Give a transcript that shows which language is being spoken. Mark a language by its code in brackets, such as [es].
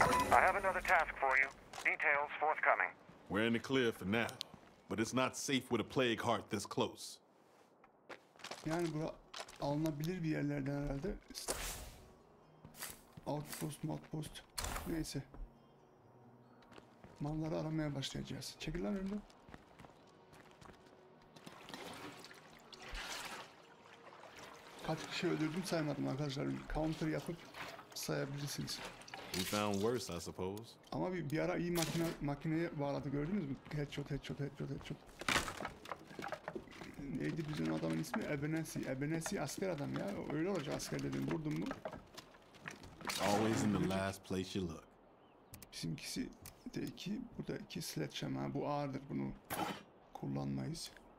[en] I have another task for you. Details forthcoming. We're in the clear for now, but it's not safe with a plague heart this close. [tr] Yani bu alınabilir bir yerlerden herhalde. Outpost, outpost. Neyse. Malları aramaya başlayacağız. Çekil lan önümden. Kaç kişi öldürdüm saymadım arkadaşlar. Counter yapıp sayabilirsiniz. [en] We found worse, I suppose. [tr] Ama bir ara iyi makineye bağladı, gördünüz mü? Headshot, headshot, headshot, headshot. Neydi bizim adamın ismi? Ebenezi. Ebenezi asker adam ya. Öyle olacak asker dedim. Vurdum mu? [en] Always in the last place you look. [tr] Bizimkisi de iki, bu da iki sledgehammer. Bu ağırdır, bunu kullanmayız.